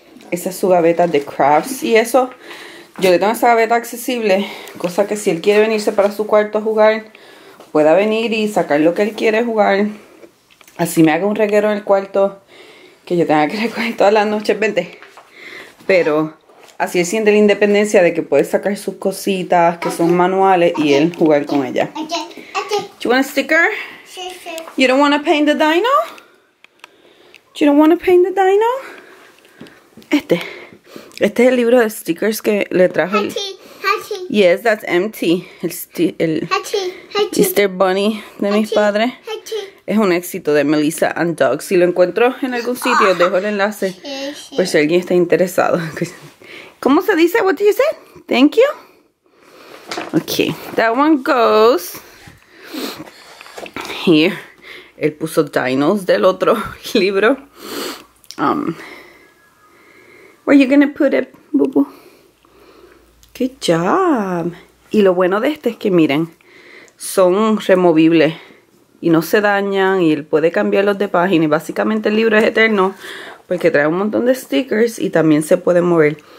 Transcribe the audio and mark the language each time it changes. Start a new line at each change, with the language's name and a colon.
Spanish: Esa es su gaveta de crafts y eso. Yo le tengo esa gaveta accesible, cosa que si él quiere venirse para su cuarto a jugar, pueda venir y sacar lo que él quiere jugar. Así me haga un reguero en el cuarto, que yo tenga que recoger todas las noches, vente. Pero así él siente la independencia de que puede sacar sus cositas que son manuales y él jugar con ella.
English: Do you want a sticker?
Spanish: Sí.
English: You don't want to paint the dino? You don't want to paint the dino?
Spanish: Este es el libro de stickers que le trajo. Hachi, Hachi.
English: Yes, that's empty.
Spanish: El Hachi, Hachi. Easter Bunny de mis padres. Hachi. Es un éxito de Melissa and Doug. Si lo encuentro en algún sitio, dejo el enlace. Sí, sí. Pues si alguien está interesado. ¿Cómo se dice?
English: What do you say? Thank you. Okay, that one goes here.
Spanish: Él puso dinos del otro libro.
English: Where are you gonna put it, Bubu? Good job.
Spanish: Y lo bueno de este es que miren, son removibles y no se dañan y él puede cambiarlos de página. Y básicamente el libro es eterno porque trae un montón de stickers y también se puede mover.